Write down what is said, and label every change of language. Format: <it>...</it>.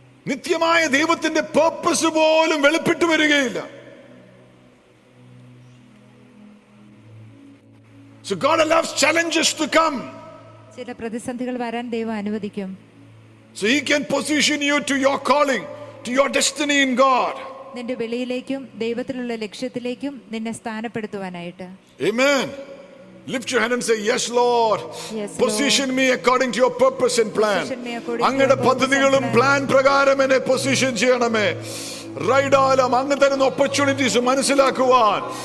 <ml>നിത്യമായ ദൈവത്തിന്റെ പേർപ്പസ് പോലും വെളിപ്പെട്ടു വരികയില്ല.</ml> <en>So God allows challenges to come.</en> <ml>ചില പ്രതിസന്ധികൾ വരാൻ ദൈവം അനുവദിക്കും.</ml> <en>So he can position you to your calling, to your destiny in God.</en> <ml>നിന്റെ വിളിയിലേക്കും ദൈവത്തിലുള്ള ലക്ഷ്യത്തിലേക്കും നിന്നെ സ്ഥാനപ്പെടുത്തുവാനായിട്ട്.</ml> <en>Amen. Lift your hand and say, yes Lord. Yes, position Lord. Me according to your purpose and plan.</en> <ml>അങ്ങയുടെ പദ്ധതികളും plan പ്രകാരം എന്നെ position ചെയ്യണമേ. റൈഡാലം അങ്ങ് തരുന്ന ഓപ്പർച്യൂണിറ്റീസ് മനസ്സിലാക്കുവാൻ.</ml>